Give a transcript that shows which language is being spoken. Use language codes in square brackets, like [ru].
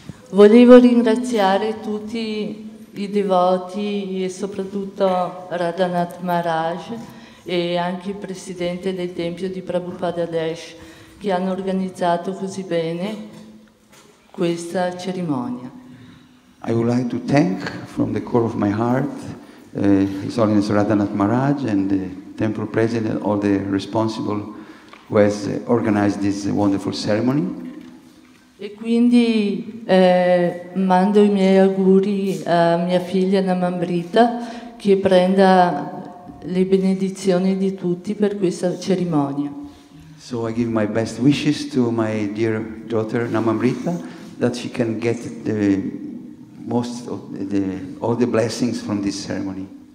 [it] Volevo ringraziare tutti I devoti e soprattutto Radhanath Maharaj e anche il presidente del Tempio di Prabhupada Desh che hanno organizzato così bene questa cerimonia. [en] I would like to thank from the core of my heart His Holiness Radhanath Maharaj and the Temple President, all the responsible who has organized this wonderful ceremony. [it] E quindi mando I miei auguri a mia figlia Namamrita che prenda le benedizioni di tutti per questa cerimonia. [en] So I give my best wishes to my dear daughter Namamrita that she can get the most of the all the blessings from this ceremony.